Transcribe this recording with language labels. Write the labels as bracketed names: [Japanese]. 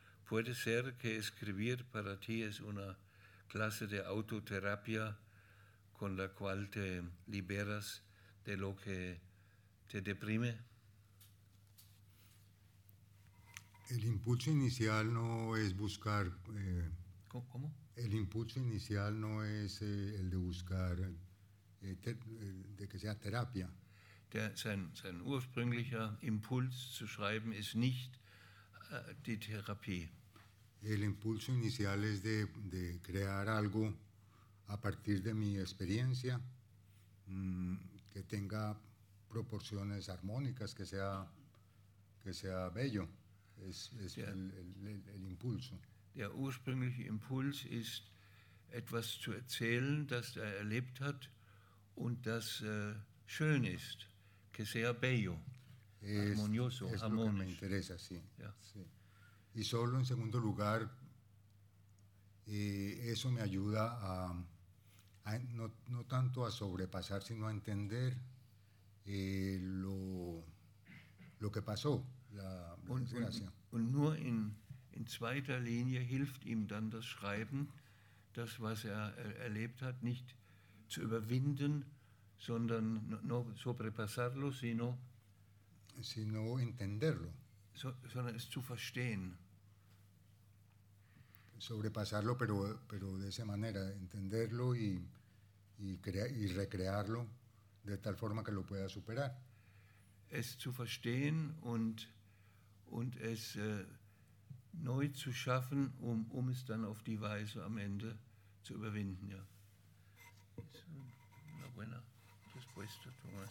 [Spanish] ¿Puede ser que escribir para ti es una clase de autoterapia con la cual te liberas de lo que te deprime? El impulso inicial no es buscar... ¿Cómo? El impulso inicial no es el de buscar, de que sea terapia. [German] Sein ursprünglicher Impuls zu schreiben ist nicht die Therapie. [Spanish] El impulso inicial es de crear algo a partir de mi experiencia, que tenga proporciones armónicas, que sea bello. Es el impulso. [German] Der ursprüngliche Impuls ist, etwas zu erzählen, das er erlebt hat und das schön ist, [Spanish] que sea bello, armonioso, es [German] harmonisch. [Spanish] Lo que me interesa, sí. [German] Ja. [Spanish] Sí. Y solo en segundo lugar, eso me ayuda a no tanto a sobrepasar, sino a entender lo que pasó, la desgracia. [German] Und nur in zweiter Linie hilft ihm dann das Schreiben, das, was er erlebt hat, nicht zu überwinden, sondern [Spanish] no sobrepasarlo, sino entenderlo. [German] Sondern es zu verstehen. [Spanish] Sobrepasarlo, pero de esa manera, entenderlo y recrearlo de tal forma que lo pueda superar. [German] Es zu verstehen und es neu zu schaffen, um es dann auf die Weise am Ende zu überwinden. Ja. [Spanish] Una buena respuesta, Thomas.